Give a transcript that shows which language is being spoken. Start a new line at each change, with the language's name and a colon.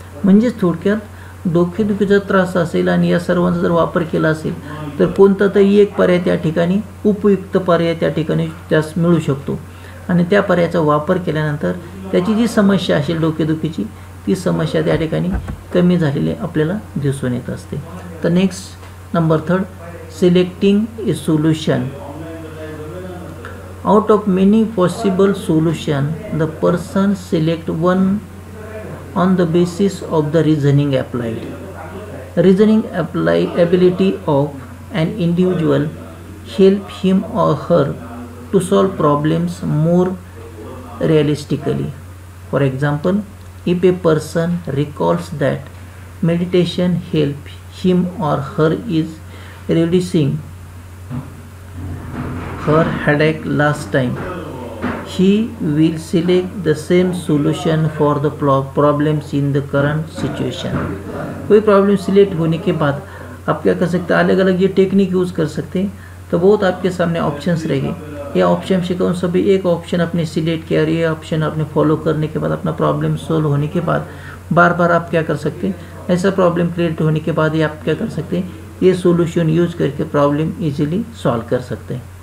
Marathi: म्हणजेच थोडक्यात, डोकेदुखीचा त्रास असेल आणि या सर्वांचा जर वापर केला असेल तर कोणता तरी एक पर्याय त्या ठिकाणी, उपयुक्त पर्याय त्या ठिकाणी त्यास मिळू शकतो, आणि त्या पर्यायाचा वापर केल्यानंतर त्याची जी समस्या असेल डोकेदुखीची, ती समस्या त्या ठिकाणी कमी झालेली आपल्याला दिसून येत असते। तर
English: Next number third, selecting a solution. Out of many possible solutions, the person select one on the basis of the reasoning applied. Reasoning ability of an individual help him or her to solve problems more realistically. For example, if a person recalls that meditation helps him or her is reducing her headache last time, he will select the same solution for the problems in the current situation.
Hindi: कोई problem select होने के बाद आप क्या कर सकते हैं, अलग अलग ये technique use कर सकते हैं, तो बहुत आपके सामने options रहेंगे. ये option से कौन सभी एक option अपने select किया, ये option अपने follow करने के बाद अपना problem solve होने के बाद बार बार आप क्या कर सकते हैं, ऐसा problem create होने के बाद ही आप क्या कर सकते हैं, ये solution use करके problem easily solve कर सकते हैं.